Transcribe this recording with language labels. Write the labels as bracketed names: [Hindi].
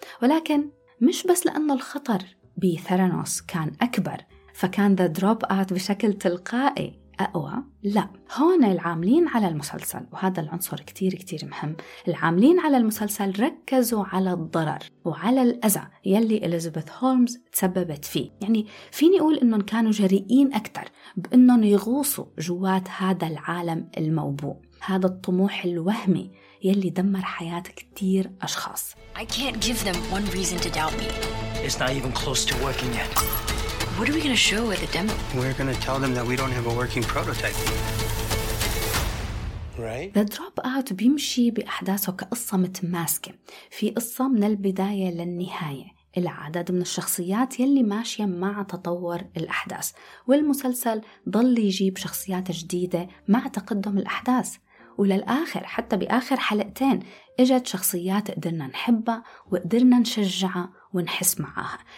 [Arabic] ولكن مش بس لأن الخطر بثيرانوس كان أكبر فكان ذا دروب آت بشكل تلقائي أقوى، لا، هون العاملين على المسلسل، وهذا العنصر كتير كتير مهم، العاملين على المسلسل ركزوا على الضرر وعلى الأذى يلي إليزابيث هولمز تسببت فيه. يعني فيني أقول إنهم كانوا جريئين أكتر بإنهم يغوصوا جوات هذا العالم الموبوء، هذا الطموح الوهمي يلي دمر حياة كتير أشخاص. [English] I can't give them one reason to doubt me. It's not even close to working yet. What are we going to show at the demo? We're going to tell them that we don't have a working prototype. Right? [Arabic] The Dropout بيمشي بأحداثه كقصة متماسكة، في قصة من البداية للنهاية، العدد من الشخصيات يلي ماشية مع تطور الأحداث، والمسلسل ضل يجيب شخصيات جديدة مع تقدم الأحداث، وللآخر حتى بآخر حلقتين إجت شخصيات قدرنا نحبها وقدرنا نشجعها ونحس معاها.